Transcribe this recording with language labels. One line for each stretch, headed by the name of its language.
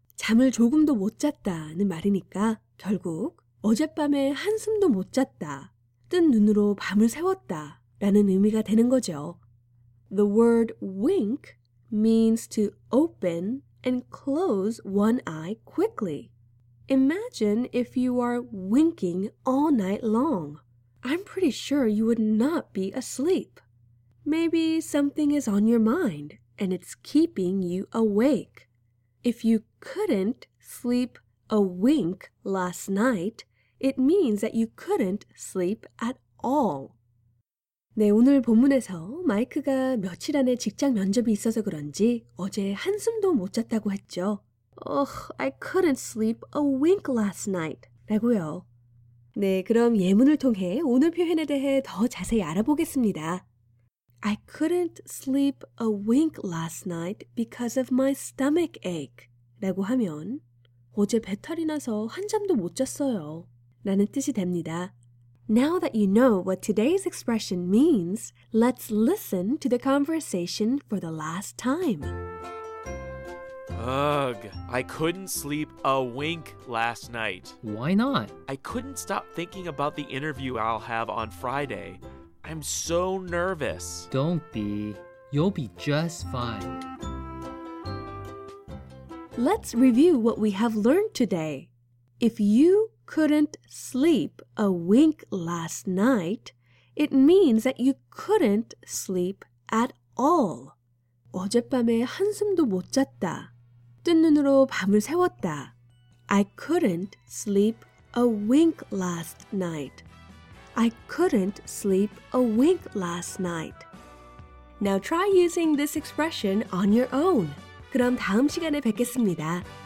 Korean: 잠을 조금도 못 잤다는 말이니까 결국 어젯밤에 한숨도 못 잤다. 뜬 눈으로 밤을 새웠다 라는 의미가 되는 거죠.
English: The word wink means to open and close one eye quickly. Imagine if you are winking all night long. I'm pretty sure you would not be asleep. Maybe something is on your mind and it's keeping you awake. If you couldn't sleep a wink last night, it means that you couldn't sleep at all.
Korean: 네, 오늘 본문에서 마이크가 며칠 안에 직장 면접이 있어서 그런지 어제 한숨도 못 잤다고 했죠.
English: Ugh, I couldn't sleep a wink last night.
Korean: 라고요. 네, 그럼 예문을 통해 오늘 표현에 대해 더 자세히 알아보겠습니다.
English: I couldn't sleep a wink last night because of my stomach ache.
Korean: 라고 하면 어제 배탈이 나서 한잠도 못 잤어요. 라는 뜻이 됩니다.
English: Now that you know what today's expression means, let's listen to the conversation for the last time. Ugh, I couldn't sleep a wink last night. Why not? I couldn't stop thinking about the interview I'll have on Friday. I'm so nervous. Don't be. You'll be just fine. Let's review what we have learned today. If you couldn't sleep a wink last night, it means that you couldn't sleep at all.
Korean: 어젯밤에 한숨도 못 잤다. 뜬 눈으로 밤을 새웠다.
English: I couldn't sleep a wink last night. I couldn't sleep a wink last night. Now try using this expression on your own.
Korean: 그럼 다음 시간에 뵙겠습니다.